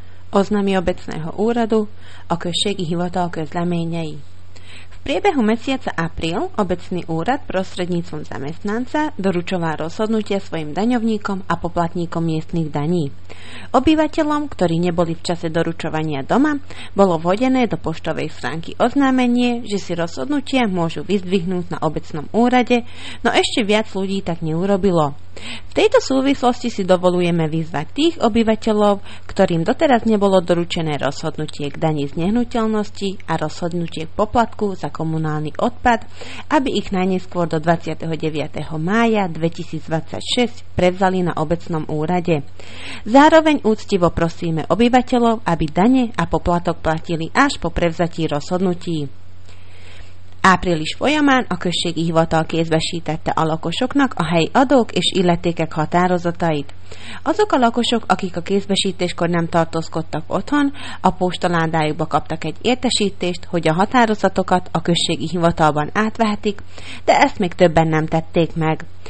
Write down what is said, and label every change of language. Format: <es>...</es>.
<sk>oznámi obecného úradu a</sk> <hu>községi hivatal közleményei.</hu> <sk>V priebehu mesiaca apríl obecný úrad prostredníctvom zamestnanca doručoval rozhodnutie svojim daňovníkom a poplatníkom miestnych daní. Obyvateľom, ktorí neboli v čase doručovania doma, bolo vhodené do poštovej schránky oznámenie, že si rozhodnutie môžu vyzdvihnúť na obecnom úrade, no ešte viac ľudí tak neurobilo. V tejto súvislosti si dovolujeme vyzvať tých obyvateľov, ktorým doteraz nebolo doručené rozhodnutie k dani z nehnuteľnosti a rozhodnutie k poplatku za komunálny odpad, aby ich najneskôr do 29. mája 2026 prevzali na obecnom úrade. Zároveň úctivo prosíme obyvateľov, aby dane a poplatok platili až po prevzatí rozhodnutí.</sk> <hu>Április folyamán a községi hivatal kézbesítette a lakosoknak a helyi adók és illetékek határozatait. Azok a lakosok, akik a kézbesítéskor nem tartózkodtak otthon, a postaládájukba kaptak egy értesítést, hogy a határozatokat a községi hivatalban átvehetik, de ezt még többen nem tették meg.</hu>